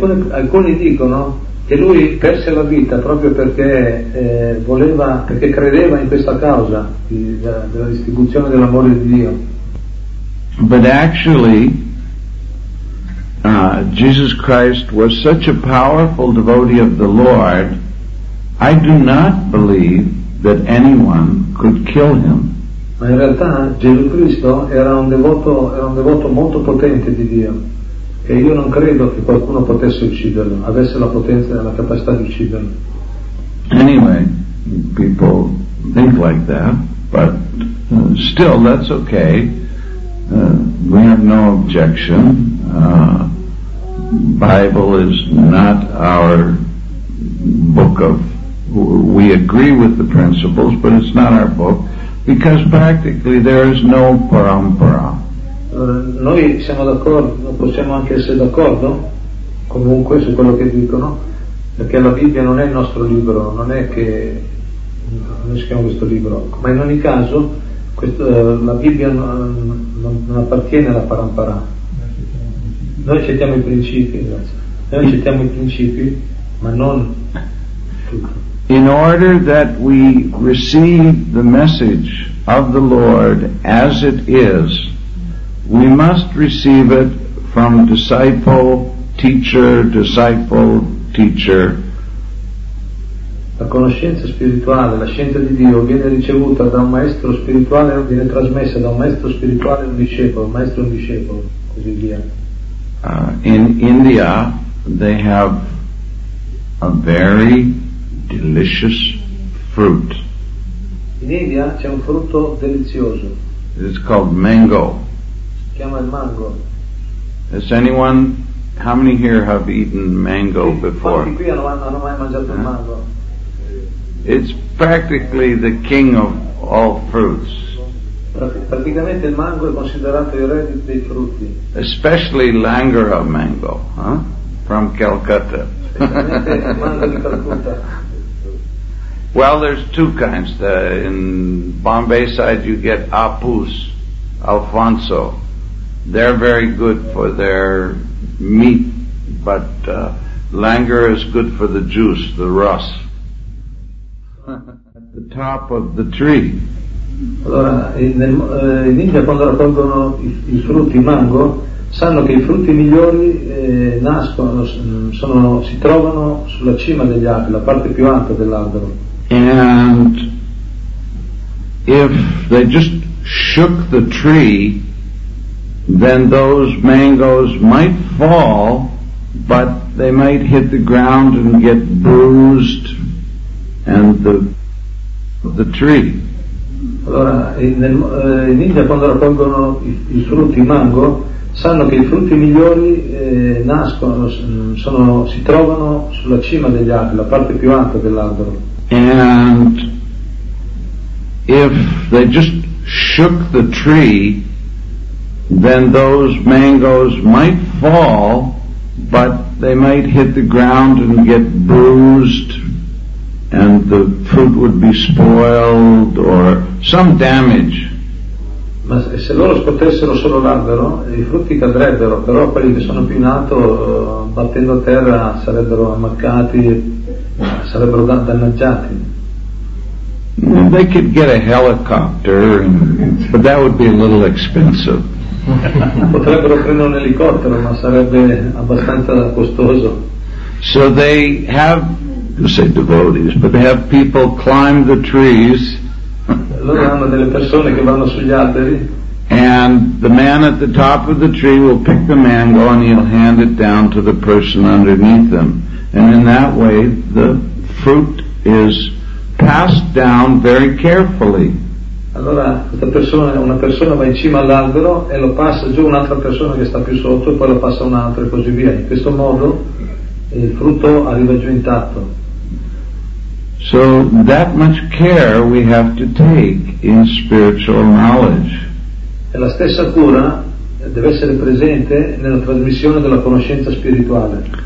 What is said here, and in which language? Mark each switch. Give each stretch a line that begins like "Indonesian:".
Italian: Alcuni dicono che lui perse la vita proprio perché voleva, perché credeva in questa causa della distribuzione dell'amore di Dio.
English: But actually, Jesus Christ was such a powerful devotee of the Lord, I do not believe that anyone could kill him.
Italian: Ma in realtà Gesù Cristo era un devoto molto potente di Dio, e io non credo che qualcuno potesse ucciderlo, avesse la potenza e la capacità di ucciderlo.
English: Anyway, people think like that, but still that's okay. We have no objection. Bible is not our book of, we agree with the principles, but it's not our book, because practically there is no parampara.
Italian: Noi siamo d'accordo, possiamo anche essere d'accordo comunque su quello che dicono, perché la Bibbia non è il nostro libro, non è che noi scriviamo questo libro, ma in ogni caso la Bibbia non appartiene alla parampara. Noi accettiamo i principi, grazie. Noi accettiamo i principi, ma non tutto.
English: In order that we receive the message of the Lord as it is, we must receive it from disciple, teacher.
Italian: La conoscenza spirituale, la scienza di Dio viene ricevuta da un maestro spirituale, viene trasmessa da un maestro spirituale, un discepolo, così via.
English: In India, they have a very delicious fruit.
Italian: In India c'è un frutto delizioso.
English: It's called mango.
Italian: Si chiama il mango.
English: Has anyone, how many here have eaten mango before?
Italian: Quanti qui hanno mai mangiato il mango?
English: It's practically the king of all fruits.
Italian: Praticamente il mango è considerato il re dei frutti.
English: Especially Langara mango, huh? From Calcutta. Well, there's two kinds. In Bombay side you get Apus, Alfonso. They're very good for their meat, but Langara is good for the juice, the rus. At the top of the tree.
Italian: Allora, in India quando raccolgono i frutti, mango, sanno che i frutti migliori nascono, si trovano sulla cima degli alberi, la parte più alta dell'albero.
English: And if they just shook the tree, then those mangoes might fall, but they might hit the ground and get bruised, and the tree.
Italian: Allora, in India quando raccolgono i frutti mango, sanno che i frutti migliori nascono, si trovano sulla cima degli alberi, la parte più alta dell'albero.
English: And if they just shook the tree, then those mangoes might fall, but they might hit the ground and get bruised, and the fruit would be spoiled or some damage.
Italian: Ma se loro scuotessero solo l'albero, i frutti cadrebbero, però quelli che sono più in alto, battendo terra, sarebbero ammaccati, sarebbero danneggiati.
English: And they could get a helicopter, but that would be a little expensive.
Italian: Potrebbero prendere un elicottero, ma sarebbe abbastanza costoso.
English: So they have, you say devotees, but they have people climb the trees.
Italian: Loro hanno delle persone che vanno sugli alberi.
English: And the man at the top of the tree will pick the mango and he'll hand it down to the person underneath them. And in that way, the fruit is passed down very carefully.
Italian: Allora, una persona va in cima all'albero e lo passa giù un'altra persona che sta più sotto e poi lo passa un'altra e così via. In questo modo, il frutto arriva giù intatto.
English: So that much care we have to take in spiritual knowledge.
Italian: E la stessa cura deve essere presente nella trasmissione della conoscenza spirituale.